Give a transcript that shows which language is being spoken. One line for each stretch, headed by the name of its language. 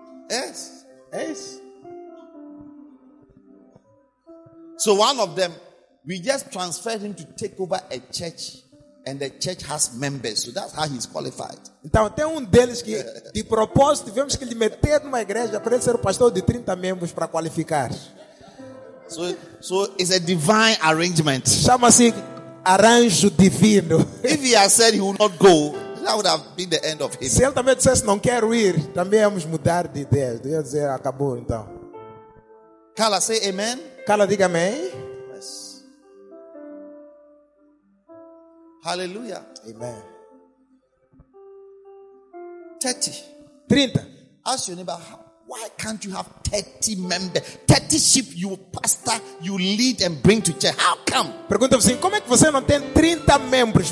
English: Yes. Yes. So one of them, we just transferred him to take over a church, and the church has members. So that's how he's qualified.
Portuguese: Então tem deles que de propósito tivemos que lhe meter numa igreja para ele ser o pastor de 30 membros para qualificar.
English: So it's a divine arrangement.
Portuguese: Chama-se arranjo divino.
English: If he had said he would not go, that would have been the end of him.
Portuguese: Se ele também dissesse não quero ir, também vamos mudar de ideia. Deus dizer acabou então.
English: Carla, say amen.
Portuguese: Carla, diga amém.
English: Yes. Hallelujah. Amen. 30. 30. Ask your neighbor, why can't you have 30 members? 30 sheep you pastor, you lead and bring to church. How come?
Portuguese: Pergunta-me assim, como é que você não tem 30 membros?